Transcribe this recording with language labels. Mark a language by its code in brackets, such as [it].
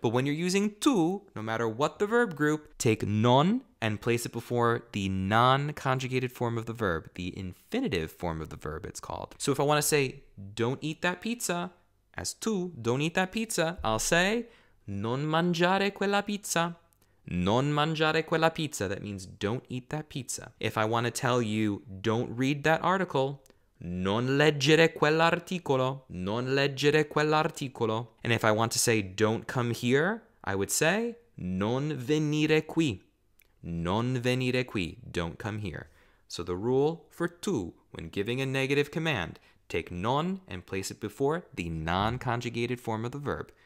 [en] But when you're using tu, no matter what the verb group, take non and place it before the non-conjugated form of the verb, the infinitive form of the verb it's called. So if I want to say, don't eat that pizza, as tu, don't eat that pizza, I'll say, [it] non mangiare quella pizza. Non mangiare quella pizza, [en] that means don't eat that pizza. If I want to tell you, don't read that article, [it] non leggere quell'articolo, non leggere quell'articolo. [en] And if I want to say don't come here, I would say [it] non venire qui, non venire qui, [en] don't come here. So the rule for tu when giving a negative command, take non and place it before the non-conjugated form of the verb.